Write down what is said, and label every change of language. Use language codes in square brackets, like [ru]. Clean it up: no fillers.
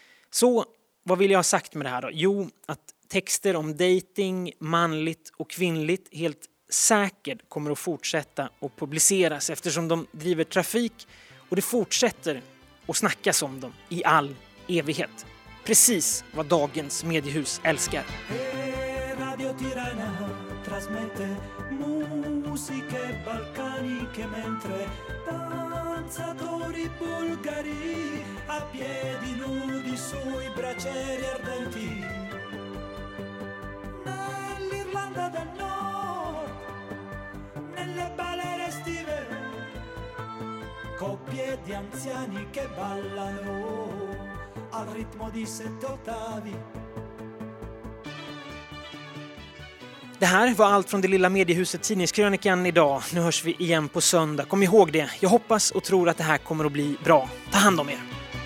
[sv] Så vad vill jag ha sagt med det här då? Jo, att texter om dating, manligt och kvinnligt helt säkert kommer att fortsätta att publiceras eftersom de driver trafik och det fortsätter att snackas om dem i all evighet. Precis vad dagens mediehus älskar. [it] Radio Tirana trasmette musiche balcaniche mentre danzatori bulgari a piedi nudi sui braccieri ardenti nell'Irlanda del Nord nelle balere estive coppie di anziani che ballano al ritmo di sette ottavi. [sv] Det här var allt från det lilla mediehuset Tidningskrönikan idag. Nu hörs vi igen på söndag. Kom ihåg det. Jag hoppas och tror att det här kommer att bli bra. Ta hand om er.